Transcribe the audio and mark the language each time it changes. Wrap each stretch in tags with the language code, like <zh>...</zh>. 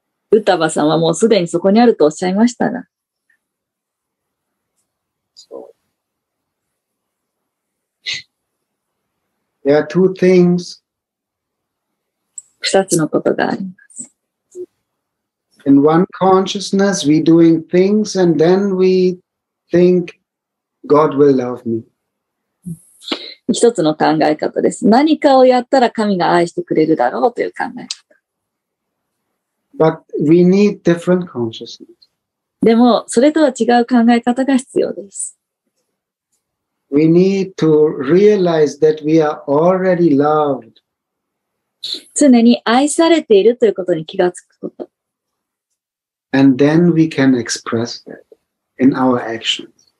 <ja>ウタバさんはもうすでにそこにあるとおっしゃいましたな。</ja> <en>So, there are two things.</en> <ja>二つのことがあります。</ja> <en>In one consciousness, we doing things, and then we think God will love me.</en> <ja>一つの考え方です。何かをやったら神が愛してくれるだろうという考え方。</ja> <en>But we need different consciousness.</en> <ja>でもそれとは違う考え方が必要です。</ja> <en>We need to realize that we are already loved.</en> <ja>常に愛されているということに気がつくこと。</ja> <en>And then we can express that in our actions.</en>